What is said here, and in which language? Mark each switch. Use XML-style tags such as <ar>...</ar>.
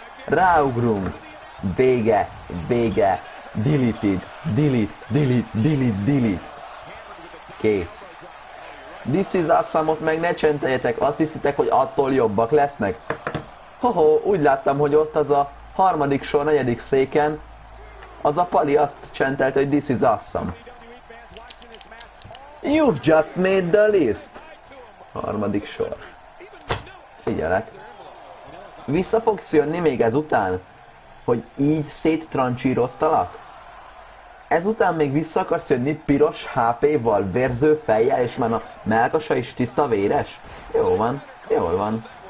<hu>Ráugrunk. Vége. Vége. Deleted. Delete. Delete. Delete. Delete. Kész.</hu> <en>This is awesome-</en> <hu>ot meg ne csenteljetek. Azt hiszitek, hogy attól jobbak lesznek? Hoho, úgy láttam, hogy ott az a harmadik sor, negyedik széken az a pali azt csentelt, hogy</hu> <en>this is awesome. You've just made the list.</en> <hu>Harmadik sor. Figyelek. Vissza fogsz jönni még ezután? Hogy így széttrancsíroztalak? Ezután még vissza akarsz jönni piros HP-val, vérző fejjel, és már a melkasa is tiszta véres? Jó van, jól van.</hu>